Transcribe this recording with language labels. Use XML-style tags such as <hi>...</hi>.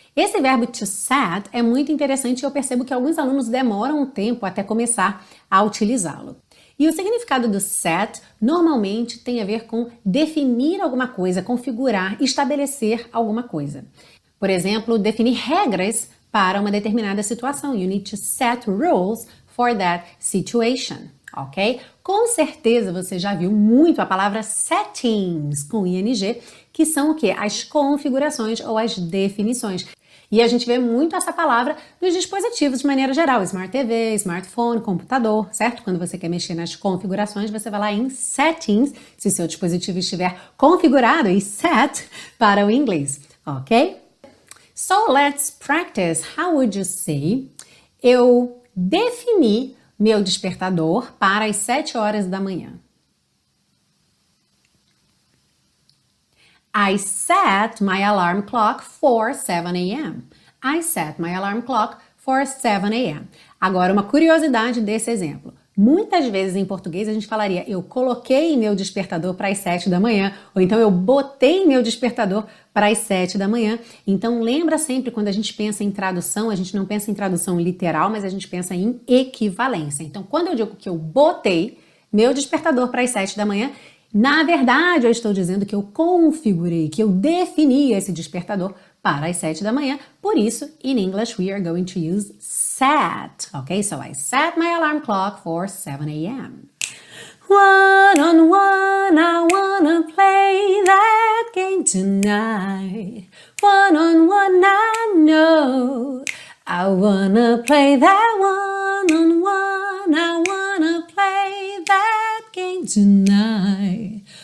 <pt>Esse verbo to set é muito interessante e eu percebo que alguns alunos demoram um tempo até começar a utilizá-lo. E o significado do set normalmente tem a ver com definir alguma coisa, configurar, estabelecer alguma coisa. Por exemplo, definir regras para uma determinada situação.</pt> <en>You need to set rules for that situation, ok?</en> <pt>Com certeza você já viu muito a palavra settings com ing, que são o quê? As configurações ou as definições. E a gente vê muito essa palavra nos dispositivos de maneira geral, smart TV, smartphone, computador, certo? Quando você quer mexer nas configurações, você vai lá em settings, se seu dispositivo estiver configurado e set para o inglês, ok?</pt> <en>So let's practice. How would you say?</en> <pt>Eu defini meu despertador para as 7 horas da manhã.</pt> <en>I set my alarm clock for 7 a.m. I set my alarm clock for 7 a.m.</en> <pt>Agora, uma curiosidade desse exemplo. Muitas vezes em português a gente falaria eu coloquei meu despertador para as 7 da manhã, ou então eu botei meu despertador para as 7 da manhã. Então lembra sempre, quando a gente pensa em tradução, a gente não pensa em tradução literal, mas a gente pensa em equivalência. Então, quando eu digo que eu botei meu despertador para as 7 da manhã, na verdade, eu estou dizendo que eu configurei, que eu defini esse despertador para as 7 da manhã. Por isso,</pt> <en>in English, we are going to use set. Ok? So I set my alarm clock for 7 a.m. One on one, I wanna play that game tonight. One on one, I know. I wanna play that one on one, I wanna play that game tonight.</en>